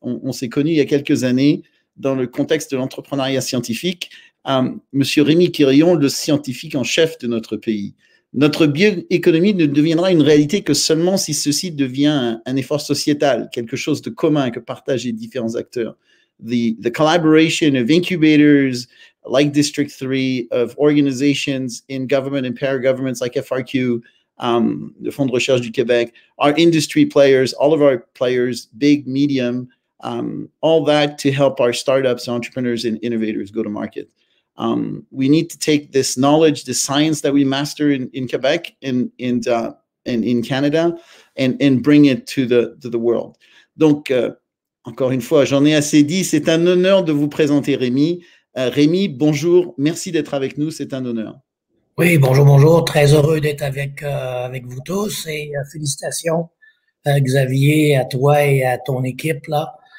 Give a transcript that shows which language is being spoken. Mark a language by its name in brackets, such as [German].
[French] On s'est connu il y a quelques années dans le contexte de l'entrepreneuriat scientifique. Monsieur Rémy Quirion, le scientifique en chef de notre pays. Notre bioéconomie ne deviendra une réalité que seulement si ceci devient un effort sociétal, quelque chose de commun que partagent les différents acteurs. [English] The collaboration of incubators like District 3, of organizations in government and paragovernments like FRQ, the Fonds de Recherche du Québec, our industry players, all of our players, big, medium, all that to help our startups, entrepreneurs, and innovators go to market. We need to take this knowledge, this science that we master in Quebec and in Canada, and bring it to the world. [French] Donc, encore une fois, j'en ai assez dit. C'est un honneur de vous présenter, Rémy. Rémy, bonjour. Merci d'être avec nous. C'est un honneur. Oui, bonjour, très heureux d'être avec vous tous et félicitations Xavier, à toi et à ton équipe là.